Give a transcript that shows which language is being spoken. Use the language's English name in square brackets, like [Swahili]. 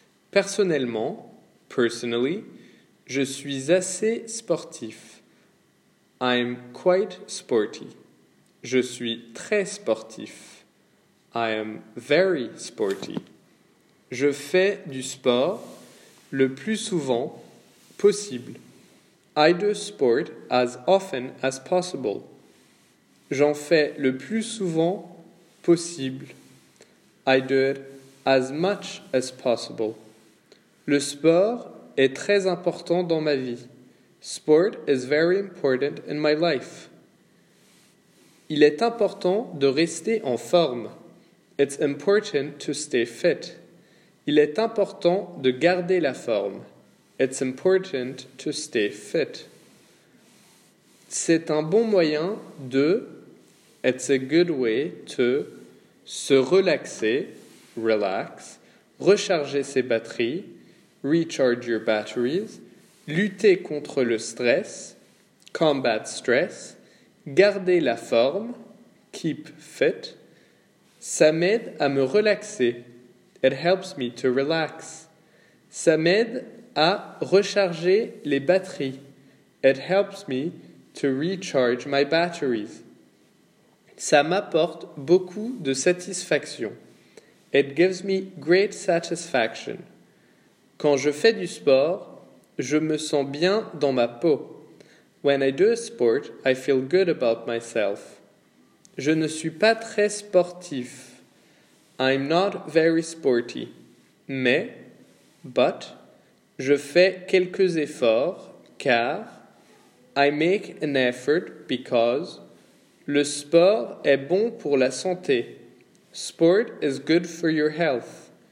[French] Personnellement, personally, je suis assez sportif. [English] I'm quite sporty. [French] Je suis très sportif. [English] I am very sporty. [French] Je fais du sport le plus souvent possible. [English] I do sport as often as possible. [French] J'en fais le plus souvent possible. [English] I do it as much as possible. [French] Le sport est très important dans ma vie. [English] Sport is very important in my life. [French] Il est important de rester en forme. [English] It's important to stay fit. [French] Il est important de garder la forme. [English] It's important to stay fit. [French] C'est un bon moyen de... [English] It's a good way to... [French] Se relaxer, relax, recharger ses batteries, [English] recharge your batteries, [French] lutter contre le stress, [English] combat stress, [French] garder la forme, [English] keep fit. [French] Ça m'aide à me relaxer. [English] It helps me to relax. [French] Ça m'aide à recharger les batteries. [English] It helps me to recharge my batteries. [French] Ça m'apporte beaucoup de satisfaction. [English] It gives me great satisfaction. [French] Quand je fais du sport, je me sens bien dans ma peau. [English] When I do a sport, I feel good about myself. [French] Je ne suis pas très sportif. [English] I'm not very sporty. [French] Mais, but, je fais quelques efforts, car, [English] I make an effort because, [French] le sport est bon pour la santé. [English] Sport is good for your health.